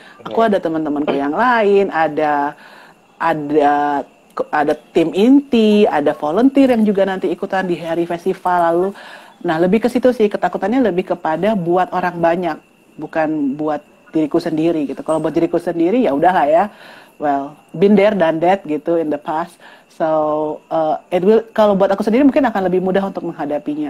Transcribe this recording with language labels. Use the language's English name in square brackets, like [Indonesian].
[Indonesian] Aku ada teman-temanku yang lain, ada tim inti, ada volunteer yang juga nanti ikutan di hari festival lalu. Nah, lebih ke situ sih ketakutannya, lebih kepada buat orang banyak, bukan buat diriku sendiri gitu. Kalau buat diriku sendiri ya udahlah ya. [English] Well, been there done that gitu in the past. So, it will, [Indonesian] kalau buat aku sendiri mungkin akan lebih mudah untuk menghadapinya.